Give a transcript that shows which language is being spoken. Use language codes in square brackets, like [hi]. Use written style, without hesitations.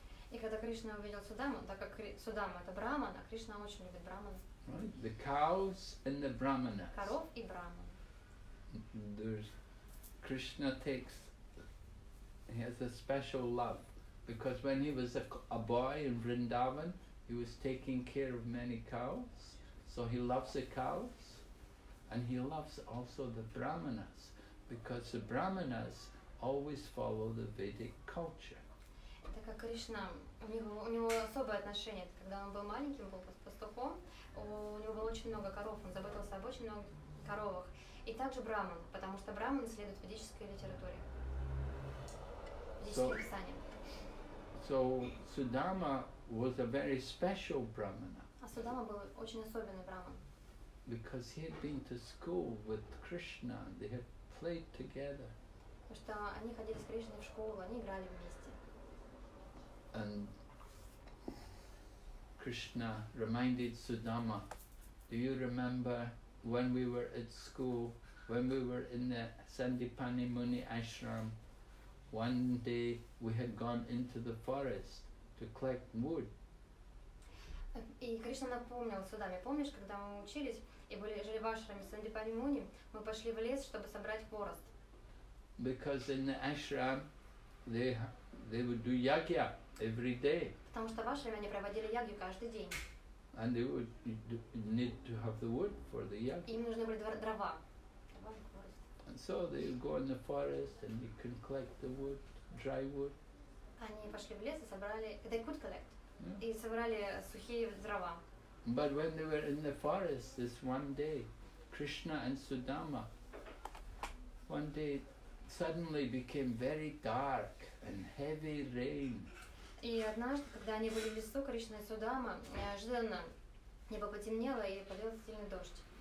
[ru] И когда Кришна увидел Судаму, так как Судама это брахмана, Кришна очень любит брахманов. [en] The cows and the brahmanas. [ru] Коров и брахман. [en] there's Krishna takes, he has a special love, because when he was a boy in Vrindavan, he was taking care of many cows, so he loves the cows, and he loves also the brahmanas, because the brahmanas always follow the Vedic culture. [ru] Так как Кришна, у него особое отношение, когда он был маленьким, был пастухом, у него было очень много коров, он заботился об очень много коровах, и также браман, потому что браман следует ведической литературе, ведическим писаниям. [en] So Sudama was a very special brahmana. [ru] А Судама был очень особенный браман. [en] Because he had been to school with Krishna, they had played together. [ru] Потому что они ходили с Кришной в школу, они играли вместе. [en] And Krishna reminded Sudama, do you remember when we were at school, when we were in the Sandipani Muni ashram, one day we had gone into the forest to collect wood. [ru] И Кришна напомнил Судаме, помнишь, когда мы учились и были жили в ашраме Сандипани Муни, мы пошли в лес, чтобы собрать хворост. [en] Because in the ashram they would do yagya every day. [ru] Потому что в ашраме они проводили ягью каждый день. [en] And they would need to have the wood for the yagya. [ru] Им нужны были дрова. [en] And so they go in the forest and they can collect the wood, dry wood. [ru] Они пошли в лес и собрали, [en] they could collect, [ru] и собрали сухие дрова. [en] But when they were in the forest this one day, Krishna and Sudama, one day suddenly became very dark and heavy rain. [ru] И однажды, когда они были в лесу, Кришна и Судама, неожиданно небо потемнело и полил сильный дождь.